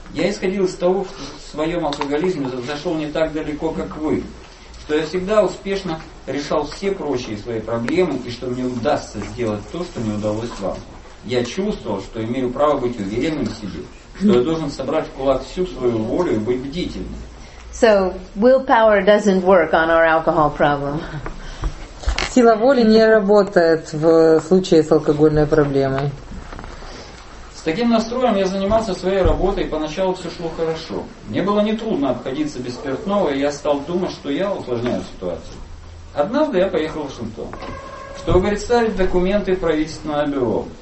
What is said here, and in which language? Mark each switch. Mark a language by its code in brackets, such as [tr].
[ru] Я исходил из того, что в своем алкоголизме зашел не так далеко, как вы, что я всегда успешно решал все прочие свои проблемы и что мне удастся сделать то, что не удалось вам. Я чувствовал, что имею право быть уверенным в себе, что я должен собрать в кулак всю свою волю и быть бдительным. [en] So, willpower doesn't work on our alcohol problem. [ru] Сила воли не работает в случае с алкогольной проблемой. С таким настроем я занимался своей работой, и поначалу все шло хорошо. Мне было нетрудно обходиться без спиртного, и я стал думать, что я усложняю ситуацию. Однажды я поехал в Вашингтон, чтобы представить документы в правительственное бюро.